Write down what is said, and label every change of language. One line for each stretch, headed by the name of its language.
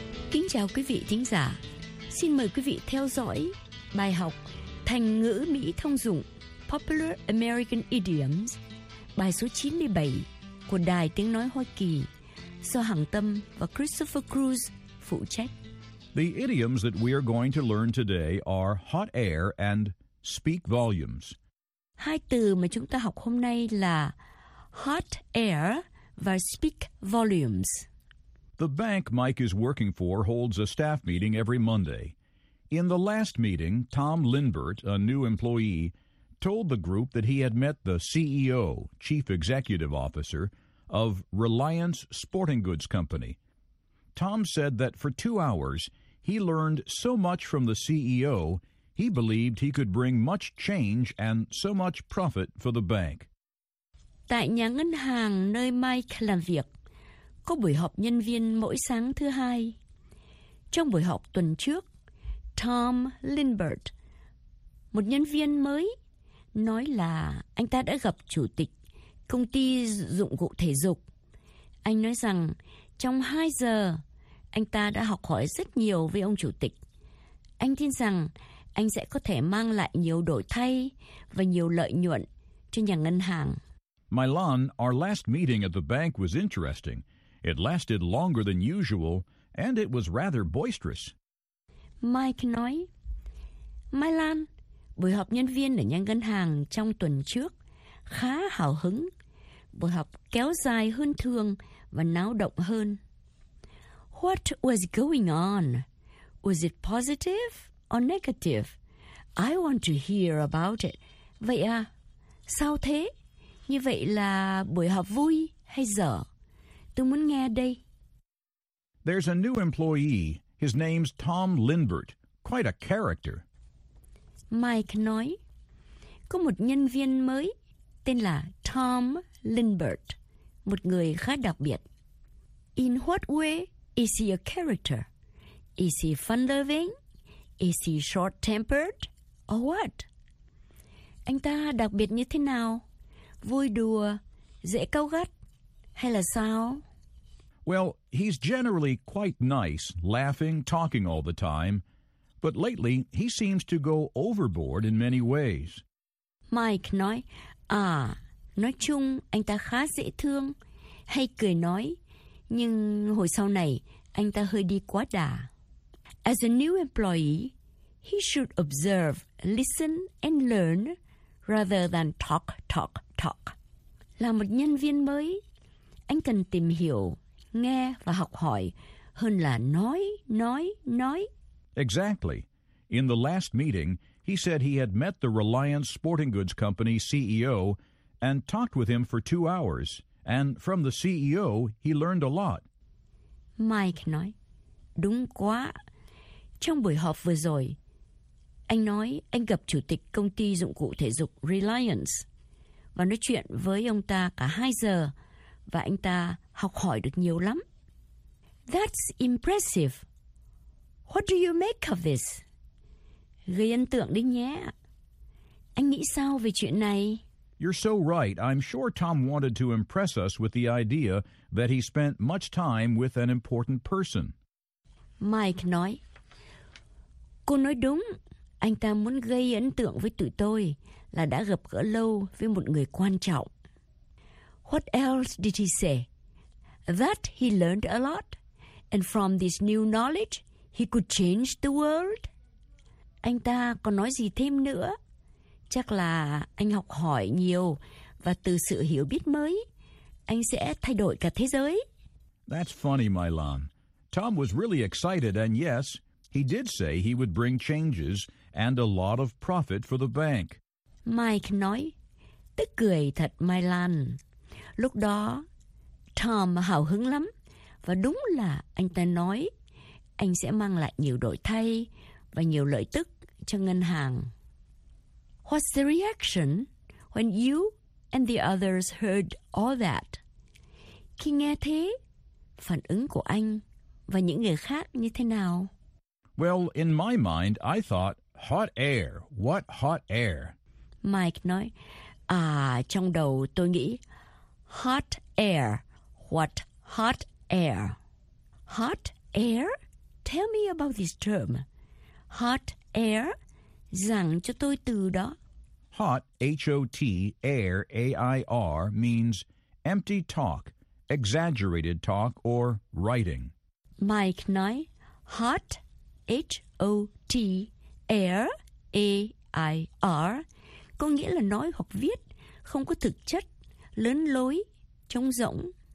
Vietnamese: Kính chào quý vị thính giả. Xin mời quý vị theo dõi bài học thành ngữ Mỹ thông dụng
English: Popular American Idioms,
Vietnamese: bài số 97 của Đài Tiếng Nói Hoa Kỳ do Hằng Tâm và Christopher Cruz phụ trách.
English: The idioms that we are going to learn today are hot air and speak volumes.
Vietnamese: Hai từ mà chúng ta học hôm nay là hot air và speak volumes.
English: The bank Mike is working for holds a staff meeting every Monday. In the last meeting, Tom Linbert, a new employee, told the group that he had met the CEO, Chief Executive Officer, of Reliance Sporting Goods Company. Tom said that for 2 hours, he learned so much from the CEO, He believed he could bring much change and so much profit for the bank.
Vietnamese: Tại nhà ngân hàng nơi Mike làm việc, có buổi họp nhân viên mỗi sáng thứ hai. Trong buổi họp tuần trước, Tom Lindbergh, một nhân viên mới, nói là anh ta đã gặp chủ tịch công ty dụng cụ thể dục. Anh nói rằng trong 2 giờ, anh ta đã học hỏi rất nhiều với ông chủ tịch. Anh tin rằng anh sẽ có thể mang lại nhiều đổi thay và nhiều lợi nhuận cho nhà ngân hàng.
English: Milan, our last meeting at the bank was interesting. It lasted longer than usual, and it was rather boisterous.
Vietnamese: Mike nói, Milan, buổi họp nhân viên ở nhà ngân hàng trong tuần trước khá hào hứng. Buổi họp kéo dài hơn thường và náo động hơn.
English: What was going on? Was it positive or negative? I want to hear about it.
Vietnamese: Vậy à, sao thế? Như vậy là buổi họp vui hay dở? Tôi muốn nghe đây.
English: There's a new employee. His name's Tom Lindbergh. Quite a character.
Vietnamese: Mike nói, có một nhân viên mới tên là Tom Lindbergh, một người khá đặc biệt.
English: In what way is he a character? Is he fun-loving? Is he short-tempered? Or what?
Vietnamese: Anh ta đặc biệt như thế nào? Vui đùa, dễ cáu gắt, hay là sao?
English: Well, he's generally quite nice, laughing, talking all the time. But lately, he seems to go overboard in many ways.
Vietnamese: Mike nói, à, nói chung, anh ta khá dễ thương, hay cười nói, nhưng hồi sau này, anh ta hơi đi quá đà.
English: As a new employee, he should observe, listen, and learn, rather than talk, talk, talk.
Vietnamese: Là một nhân viên mới, anh cần tìm hiểu, nghe và học hỏi, hơn là nói, nói, nói.
English: Exactly. In the last meeting, he said he had met the Reliance Sporting Goods Company CEO and talked with him for 2 hours. And from the CEO, he learned a lot.
Vietnamese: Mike nói, đúng quá. Trong buổi họp vừa rồi, anh nói anh gặp chủ tịch công ty dụng cụ thể dục Reliance và nói chuyện với ông ta cả 2 giờ và anh ta học hỏi được nhiều lắm.
English: That's impressive. What do you make of this?
Vietnamese: Gây ấn tượng đấy nhé. Anh nghĩ sao về chuyện này?
English: You're so right. I'm sure Tom wanted to impress us with the idea that he spent much time with an important person.
Vietnamese: Mike nói, cô nói đúng. Anh ta muốn gây ấn tượng với tụi tôi là đã gặp gỡ lâu với một người quan trọng.
English: What else did he say? That he learned a lot, and from this new knowledge, he could change the world.
Vietnamese: Anh ta còn nói gì thêm nữa? Chắc là anh học hỏi nhiều và từ sự hiểu biết mới, anh sẽ thay đổi cả thế giới.
English: That's funny, Milan. Tom was really excited, and yes, he did say he would bring changes and a lot of profit for the bank.
Vietnamese: Mike nói, tức cười thật, Milan. Lúc đó, Tom hào hứng lắm và đúng là anh ta nói anh sẽ mang lại nhiều đổi thay và nhiều lợi tức cho ngân hàng.
English: What's the reaction when you and the others heard all that?
Vietnamese: Khi nghe thế, phản ứng của anh và những người khác như thế nào?
English: Well, in my mind, I thought, hot air, what hot air?
Vietnamese: Mike nói, à, trong đầu tôi nghĩ, hot air,
English: what hot air? Hot air? Tell me about this term. Hot air,
Vietnamese: giảng cho tôi từ đó.
English: Hot, H-O-T, air, A-I-R, means empty talk, exaggerated talk or writing.
Vietnamese: Mike nói, hot, H-O-T, air, A-I-R, có nghĩa là nói hoặc viết, không có thực chất, lớn lối, trống rỗng.